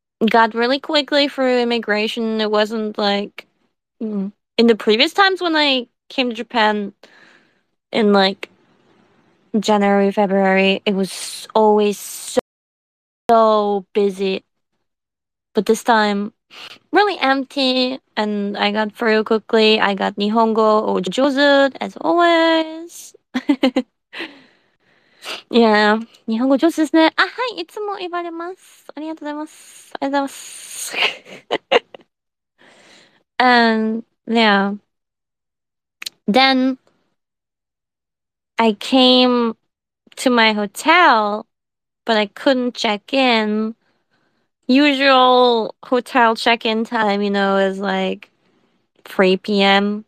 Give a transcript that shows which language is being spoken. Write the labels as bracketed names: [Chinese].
[English] Got really quickly through immigration. It wasn't like in the previous times when I came to Japan in like January, February, it was always so busy. But this time, really empty, and I got through quickly. I got [Japanese] Nihongo Ojozu [English] as always. [Japanese] Yeah, 日本語上手ですね。あ、はい、いつも言われます。ありがとうございます。ありがとうございます。 [English] And yeah. Then I came to my hotel, but I couldn't check in. Usual hotel check-in time, is like 3 p.m.